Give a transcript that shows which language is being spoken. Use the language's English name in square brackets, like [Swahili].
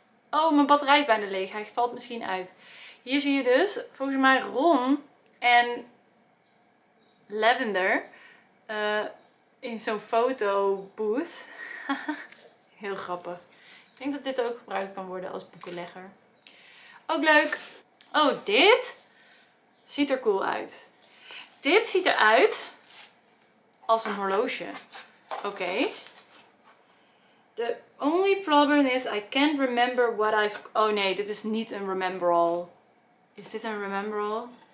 [Dutch] Oh, mijn batterij is bijna leeg. Hij valt misschien uit. Hier zie je dus volgens mij Ron en Lavender in zo'n fotobooth. Heel grappig. Ik denk dat dit ook gebruikt kan worden als boekenlegger. Ook leuk. Oh, dit ziet er cool uit. Dit ziet eruit als een horloge. Oké. [English] The only problem is I can't remember what I've... [Dutch] Oh nee, dit is niet een remember all. Is dit een remember all?